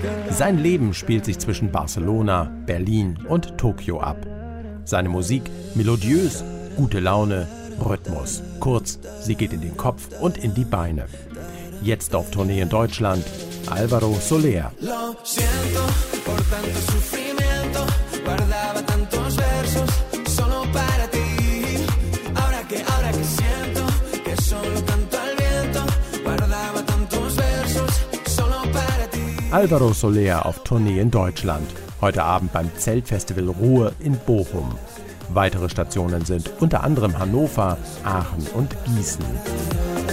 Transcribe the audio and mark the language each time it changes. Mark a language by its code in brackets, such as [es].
[de] Sein Leben spielt sich zwischen Barcelona, Berlin und Tokio ab. Seine Musik melodiös, gute Laune, Rhythmus. Kurz, sie geht in den Kopf und in die Beine. Jetzt auf Tournee in Deutschland. Álvaro Soler. [es] Lo siento por tanto sufrimiento, guardaba tantos versos solo para ti. Ahora que siento que solo canto al viento, guardaba tantos versos solo para ti. [de] Álvaro Soler auf Tournee in Deutschland. Heute Abend beim Zeltfestival Ruhr in Bochum. Weitere Stationen sind unter anderem Hannover, Aachen und Gießen.